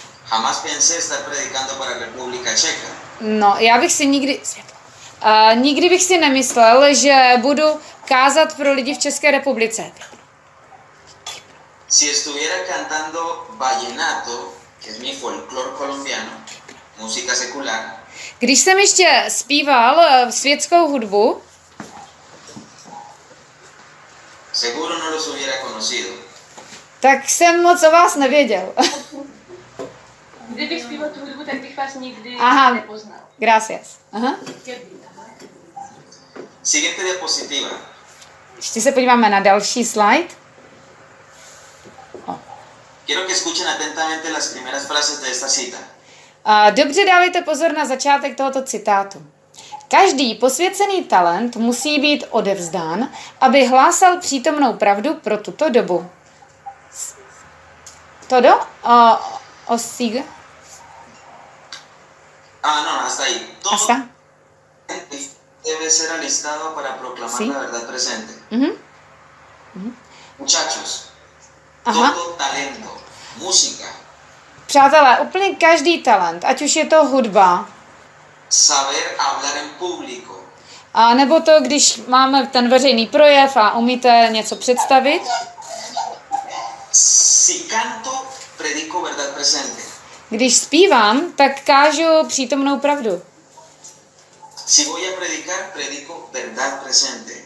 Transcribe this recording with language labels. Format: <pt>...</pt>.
<es>Jamás pensé estar predicando para República Checa.</es> <cs>No, já bych si nikdy... nikdy bych si nemyslel, že budu kázat pro lidi v České republice.</cs> <es>Si estuviera cantando vallenato, que es mi folclor colombiano, música secular.</es> <cs>Když jsem ještě zpíval světskou hudbu,</cs> <es>seguro no los hubiera conocido.</es> <cs>Tak jsem moc o vás nevěděl. Kdybych zpíval tu hudbu, tak bych vás nikdy nepoznal.</cs> <es>Gracias. Aha. Siguiente diapositiva.</es> <cs>Ještě se podíváme na další slide.</cs> <es>Quiero que escuchen atentamente las primeras frases de esta cita.</es> <cs>Dobře dávajte pozor na začátek tohoto citátu. Každý posvěcený talent musí být odevzdán, aby hlásal přítomnou pravdu pro tuto dobu.</cs> <es>Todo? Hasta ahí. Todo debe ser alistado para proclamar la verdad presente. Muchachos, aha. Todo talento, música.</es> <cs>Přátelé, úplně každý talent, ať už je to hudba.</cs> <es>Saber hablar en público.</es> <cs>A nebo to, když máme ten veřejný projev a umíte něco představit.</cs> <es>Si canto, predico verdad presente.</es> <cs>Když zpívám, tak kážu přítomnou pravdu.</cs> <es>si voy a predicar, predico verdad presente.</es>